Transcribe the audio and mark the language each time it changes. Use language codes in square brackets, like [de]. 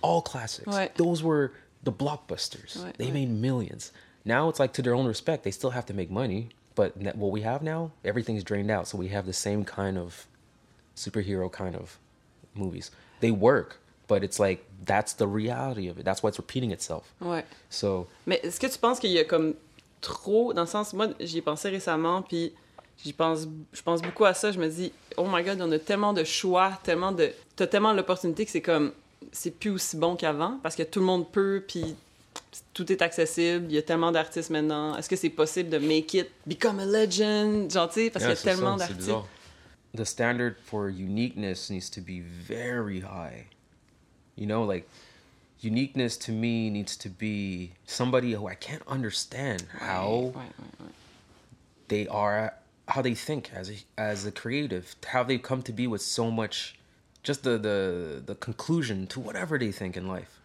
[en] All classics. Ouais. Those were the blockbusters. Ouais, they made millions. Now it's like to their own respect. They still have to make money. But what we have now, everything's drained out. So we have the same kind of superhero kind of movies. They work, but it's like, that's the reality of it. That's why it's repeating itself. Ouais. So, [fr] mais est-ce que tu penses qu'il y a comme trop, dans le sens, moi, j'y ai pensé récemment, puis je pense beaucoup à ça. Je me dis, [en] oh my God, [fr] on a tellement de choix, t'as tellement l'opportunité que c'est comme, c'est plus aussi bon qu'avant, parce que tout le monde peut, puis... Tout est accessible, il y a tellement d'artistes maintenant. Est-ce que c'est possible de [en] make it, become a legend, [fr] gentil, parce qu'il y a tellement d'artistes. [en] The standard for uniqueness needs to be very high. You know, like, uniqueness to me needs to be somebody who I can't understand how they are, how they think as a creative, how they've come to be with so much, just the conclusion to whatever they think in life.